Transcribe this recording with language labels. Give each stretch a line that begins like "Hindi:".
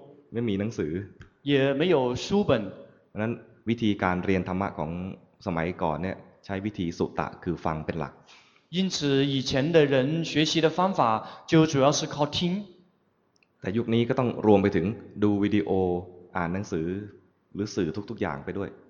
Chinese: 没有หนังสือ，也没有书本。
Thai: นั้นวิธีการเรียนธรรมะของสมัยก่อนเนี่ยใช้วิธีสุตตะคือฟังเป็นหลัก。
Chinese: 因此以前的人学习的方法就主要是靠听。
Thai: แต่ยุคนี้ก็ต้องรวมไปถึงดูวิดีโออ่านหนังสือหรือสื่อทุกๆอย่างไปด้วย。